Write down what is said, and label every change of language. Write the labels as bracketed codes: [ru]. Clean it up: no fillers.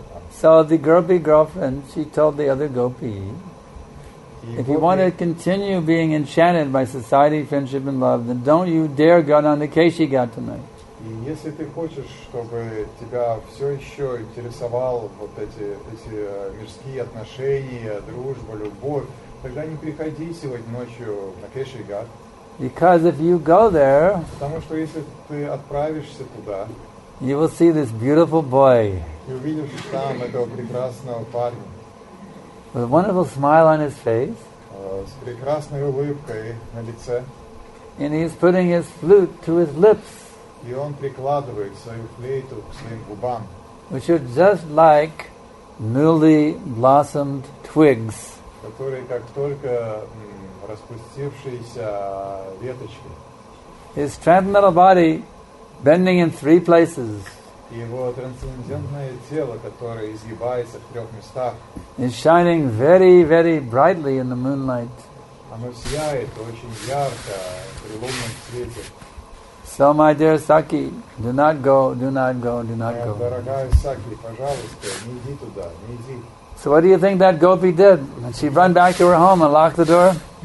[en] So the gopi girlfriend, she told the other gopi, if you want to continue being enchanted by society, friendship and love, then don't you dare go down to Keshi Ghat tonight. [ru] И если ты хочешь, чтобы тебя все еще интересовал вот эти мирские отношения, дружба, любовь, тогда не приходи сегодня ночью на Keshi Ghat. [en] Because if you go there, [ru] потому что если ты отправишься туда, [en] you will see this beautiful boy. [ru] Ты увидишь там этого прекрасного парня. [en] With a wonderful smile on his face. [ru] С прекрасной улыбкой на лице. [en] And he is putting his flute to his lips. [ru] И он прикладывает свою флейту к своим губам. [en] Which are just like newly blossomed twigs. [ru] Которые как только распустившиеся веточки. [en] His transcendental body bending in three places. [ru] его трансцендентное тело, которое изгибается в трех местах, [en] is shining very, very brightly in the moonlight. [ru] Оно сияет очень ярко при лунном свете. [en] So, my dear Saki, do not go, do not go, do not go. [ru] Дорогая Саки, пожалуйста, не иди туда, не иди. [en] So what do you think that gopi did? Did she run back to her home and lock the door?